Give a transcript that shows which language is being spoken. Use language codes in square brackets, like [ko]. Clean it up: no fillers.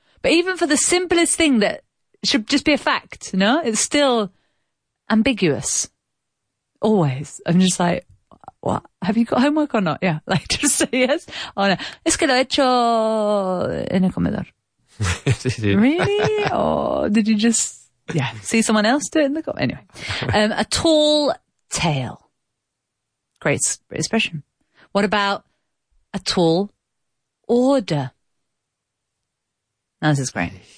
[en] But even for the simplest thing that should just be a fact, no? It's still ambiguous. Always. I'm just like, what? Have you got homework or not? Yeah. Like, just say yes or no. [es] Es que lo he hecho en el comedor. [en] Really? Or did you just see someone else do it in the car? Anyway. A tall tale. Great expression. What about a tall order? Now, this is great.